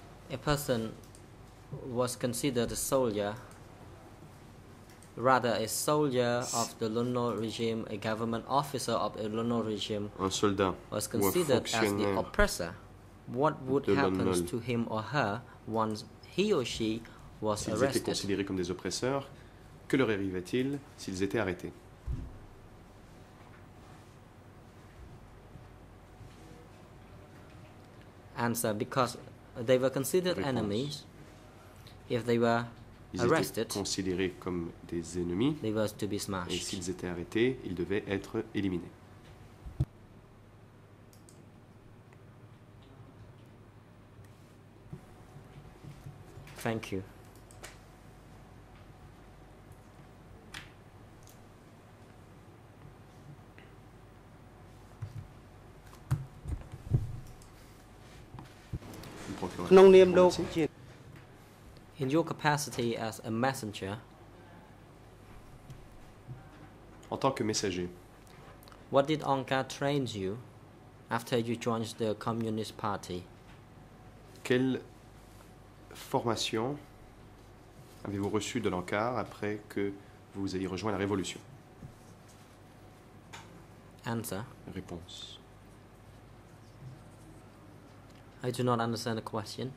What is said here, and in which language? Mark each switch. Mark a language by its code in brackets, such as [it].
[en] A person was considered a soldier, rather a soldier of the Lonel regime, a government officer of the Lonel regime, [fr] un soldat [en] was considered [fr] ou un fonctionnaire [en] as the oppressor. What would happen to him or her once he or she was [fr] s'ils [en] arrested? [fr] S'ils étaient considérés comme des oppresseurs, que leur arrivait-il s'ils étaient arrêtés? [en] Answer, because they were considered [fr] Réponse. [en] Enemies, if they were [fr] ils [en] arrested, [fr] étaient considérés comme des ennemis, [en] they were to be smashed. [fr] Et s'ils étaient arrêtés, ils devaient être éliminés. [en] Thank you. In your capacity as a messenger, [fr] en tant que messager, [en] what did Anka train you after you joined the Communist Party? [fr] Quelle formation avez-vous reçue de l'Ankar après que vous ayez rejoint la Révolution? [en] Answer. [fr] Réponse. [en] I do not understand the question.